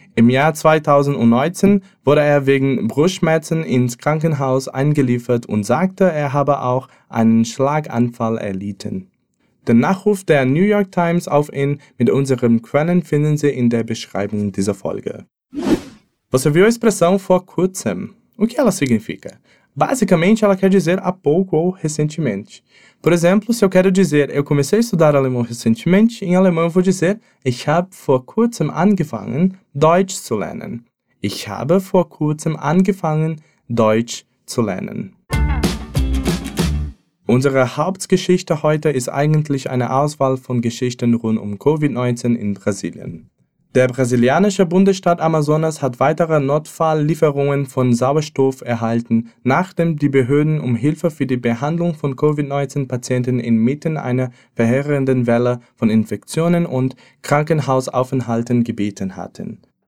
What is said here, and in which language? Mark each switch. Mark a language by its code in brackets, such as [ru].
[de] Im Jahr 2019 wurde er wegen Brustschmerzen ins Krankenhaus eingeliefert und sagte, er habe auch einen Schlaganfall erlitten. Den Nachruf der New York Times auf ihn mit unseren Quellen finden Sie in der Beschreibung dieser Folge. [pt] Você viu a expressão vor kurzem? O que ela significa? Basicamente, ela quer dizer há pouco ou recentemente. Por exemplo, se eu quero dizer eu comecei a estudar alemão recentemente, em alemão eu vou dizer [de] Ich habe vor kurzem angefangen, Deutsch zu lernen. Ich habe vor kurzem angefangen, Deutsch zu lernen. Unsere Hauptgeschichte heute ist eigentlich eine Auswahl von Geschichten rund um Covid-19 in Brasilien. Der brasilianische Bundesstaat Amazonas hat weitere Notfalllieferungen von Sauerstoff erhalten, nachdem die Behörden um Hilfe für die Behandlung von Covid-19-Patienten inmitten einer verheerenden Welle von Infektionen und Krankenhausaufenthalten gebeten hatten.